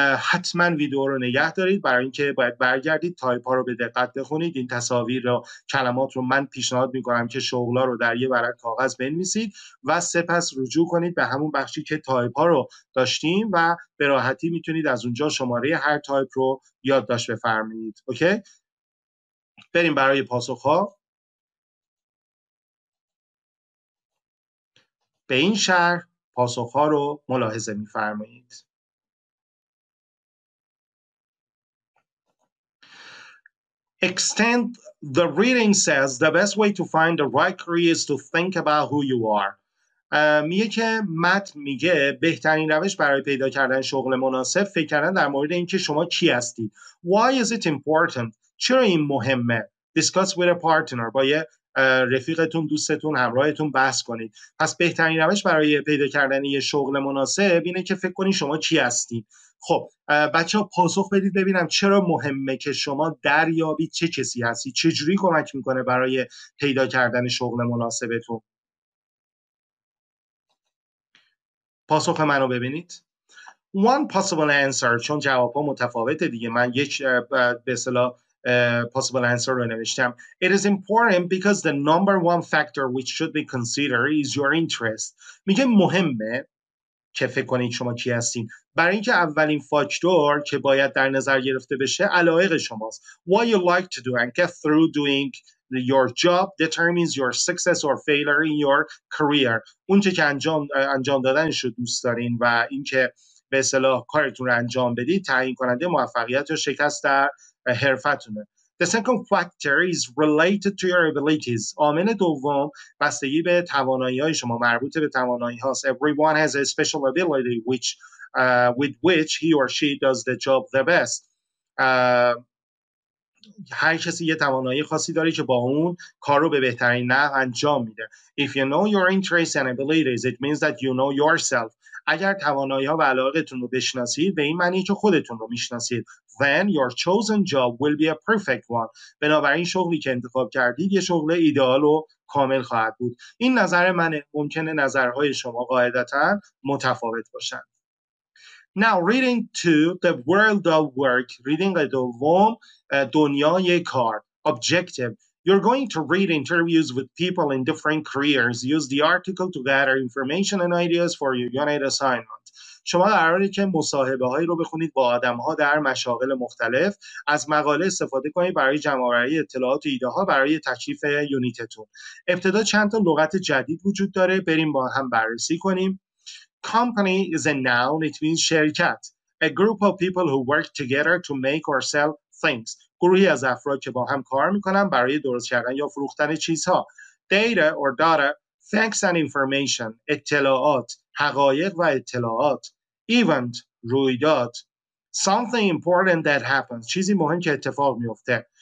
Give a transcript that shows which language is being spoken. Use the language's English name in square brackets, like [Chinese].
[Persian] حتما ویدیو رو نگه دارید برای اینکه باید برگردید تایپ ها رو به دقت بخونید این تصاویر رو کلمات رو من پیشنهاد میکنم که شغلا رو در یه ورق کاغذ بنویسید و سپس رجوع کنید به همون بخشی که تایپ ها رو داشتیم و به راحتی میتونید از اونجا شماره هر تایپ رو یادداشت بفرمایید. اوکی بریم برای پاسخ ها. به این شرح پاسخ ها رو ملاحظه میفرمایید. [English] Extend the reading says the best way to find the right career is to think about who you are. [Persian] میگه که مت میگه بهترین روش برای پیدا کردن شغل مناسب فکر کردن در مورد اینکه شما کی هستید. [English] Why is it important? [Persian] چرا این مهمه؟ [English] Discuss with a partner. [Persian] با یه رفیقتون، دوستتون، همراهتون بحث کنید. پس بهترین روش برای پیدا کردن یه شغل مناسب اینه که فکر کنید شما کی هستید. خب بچه ها پاسخ بدید ببینم چرا مهمه که شما دریابید چه کسی هستی، چه جوری کمک میکنه برای پیدا کردن شغل مناسبتون. پاسخ منو ببینید. [English] One possible answer، [Persian] چون جواب ها متفاوته دیگه، من یک به اصطلاح possible answer رو نوشتم. [English] It is important because the number one factor which should be considered is your interest. [Persian] میگه مهمه که فکر کنید شما کی هستین، برای اینکه اولین فاکتور که باید در نظر گرفته بشه علایق شماست. [English] What you like to do and get through doing your job determines your success or failure in your career. [Persian] اون چه که انجام دادنش رو دوست دارین و اینکه به اصطلاح کارتون رو انجام بدید تعیین کننده موفقیت یا شکست در حرفتونه. [English] The second factor is related to your abilities. [Persian] عامل دوم بستگی به توانایی‌های شما، مربوط به توانایی‌هاست. [English] Everyone has a special ability which with which he or she does the job the best. [Persian] هر کسی یه توانایی خاصی داره که با اون کارو به بهترین نحو انجام میده. [English] If you know your interests and abilities, it means that you know yourself. [Persian] اگر توانایی‌ها و علاقتون رو بشناسید، به این معنی که خودتون رو میشناسید. [English] Then your chosen job will be a perfect one. [Persian] بنابراین شغلی که انتخاب کردید یه شغل ایدئال و کامل خواهد بود. این نظر منه، ممکنه نظرهای شما قاعدتا متفاوت باشن. [English] Now reading to the world of work. Reading the [Persian] دوم دنیای کار. [English] Objective. You're going to read interviews with people in different careers. Use the article to gather information and ideas for your unit assignment. [Persian] شما قراره که مصاحبه هایی رو بخونید با آدم ها در مشاغل مختلف، از مقاله استفاده کنید برای جمع‌آوری اطلاعات و ایده ها برای تکلیف یونیتتون. ابتدا چند تا لغت جدید وجود داره، بریم با هم بررسی کنیم. [English] Company is a noun, it means شرکت. A group of people who work together to make or sell things. [Persian] گروهی از افراد که با هم کار میکنن برای درست کردن یا فروختن چیزها. [English] Data or data, facts and information, [Persian] اطلاعات، حقایق و اطلاعات. Event, رویداد. [English] Something important that happens, [Persian] چیزی مهم که اتفاق میفته.